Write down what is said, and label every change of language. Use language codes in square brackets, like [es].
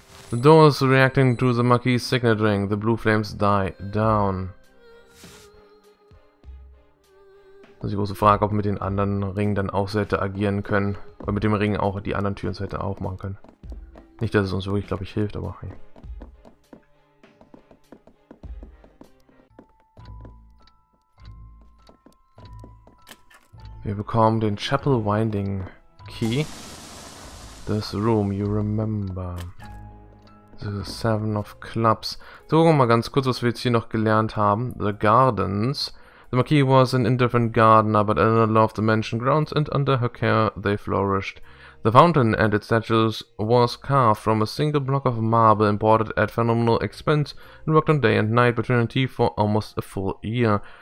[en] The door is reacting to the Maquis signet ring. The blue flames die down. [de] Das ist die große Frage, ob wir mit den anderen Ringen dann auch so hätte agieren können. Oder mit dem Ring auch die anderen Türen so hätte aufmachen können. Nicht, dass es uns wirklich, glaube ich, hilft, aber hey. Wir bekommen den Chapel Winding Key. [en] This room, you remember. The Seven of Clubs. [de] So, gucken wir mal ganz kurz, was wir jetzt hier noch gelernt haben. [en] The Gardens. The Marquis was an indifferent gardener, but Eleanor loved the mansion grounds, and under her care they flourished. The fountain and its statues was carved from a single block of marble imported at phenomenal expense and worked on day and night between a tea for almost a full year.